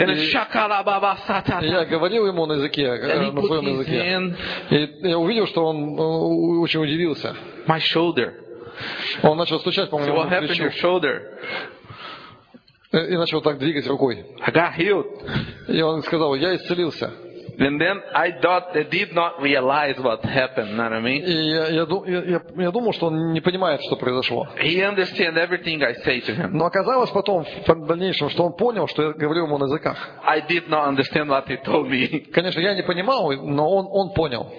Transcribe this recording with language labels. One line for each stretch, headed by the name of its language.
Russian: Шакара-ба-ба. Я говорил ему на языке, на своем языке.
English: Hand.
Russian: И я увидел, что он очень удивился.
English: My shoulder.
Russian: Он начал стучать по моему плечу. И начал так двигать рукой.
English: I got healed.
Russian: И он сказал, я исцелился.
English: And then I thought they did not realize what happened. Know what I mean?
Russian: Я думал, что он не понимает, что произошло.
English: He understood everything I say to him.
Russian: Но оказалось потом в дальнейшем, что он понял, что я говорю ему на языках.
English: I did not understand what he told me.
Russian: Конечно, я не понимал, но он понял.